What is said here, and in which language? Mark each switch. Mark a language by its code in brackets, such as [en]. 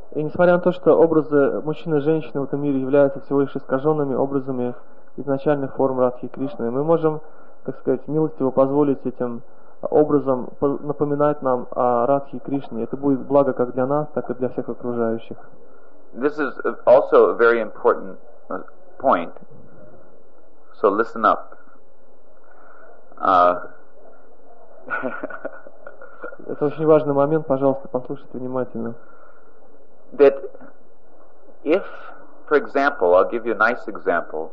[ru] И несмотря на то, что образы мужчин и женщин в этом мире являются всего лишь искаженными образами изначальных форм Радхи Кришны, мы можем, так сказать, милостиво позволить этим образом напоминать нам о Радхи Кришне. Это будет благо как для нас, так и для всех окружающих. [en] This is also a very important point. So listen up. [ru] Это очень важный момент, пожалуйста, послушайте внимательно. [en] That if, for example, I'll give you a nice example.